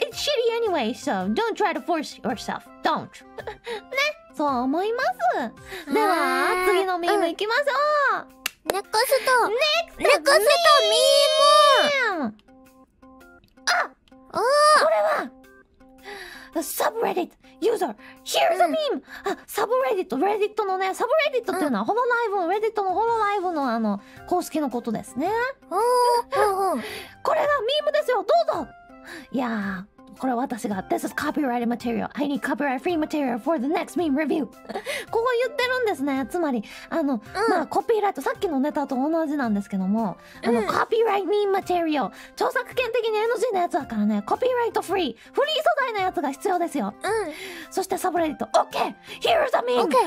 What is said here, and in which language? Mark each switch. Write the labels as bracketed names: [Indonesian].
[English] Yeah, it's shitty anyway, so don't try to force yourself. Don't. [Japanese] ね、そう思います。では次のミームいきましょう、うん、ネクスト、ネクスト、ネクストミーム。あ、おー、これはサブレディットユーザー [English] Here's a meme、 [Japanese] うん、サブレディット、レディットのね、サブレディットっていうのは、うん、ホロライブのレディットのホロライブのあの公式のことですね。おーおこれがミームですよ、どうぞ。いやー、これ私が [English] This is copyrighted material. I need copyright free material for the next meme review. [Japanese] こう言ってるんですね。つまりあの、うん、まあコピーライト、さっきのネタと同じなんですけども、うん、あのコピーライトミームマテリアル、著作権的に NG のやつだからね、コピーライトフリー、フリー素材のやつが必要ですよ。うん、そしてサブレディット OK! [English] Here's a meme! OK!